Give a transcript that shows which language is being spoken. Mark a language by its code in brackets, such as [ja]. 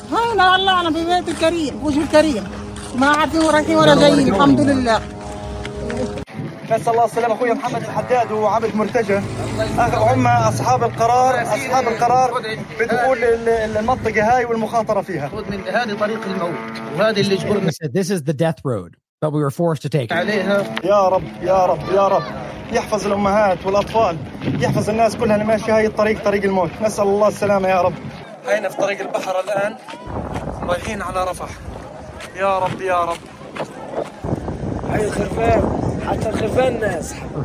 [ar] هنا الله انا في بيت الكريم وش الكريم ما عارفين رايحين ولا جايين الحمد لله بس الله السلامه اخويا محمد الحداد وعبد مرتجى هم اصحاب القرار بدخول المنطقه هاي والمخاطره فيها هذه طريق الموت وهذه اللي جبرنا [en] This is the death road that we were forced to take [ar] يا رب يا رب يا رب يحفظ الأمهات والأطفال يحفظ الناس كلها اللي ماشي هاي الطريق طريق الموت نسأل الله السلامة يا رب هينا في طريق البحر الآن رايحين على رفح يا رب يا رب هاي الخفان حتى الخفان ناس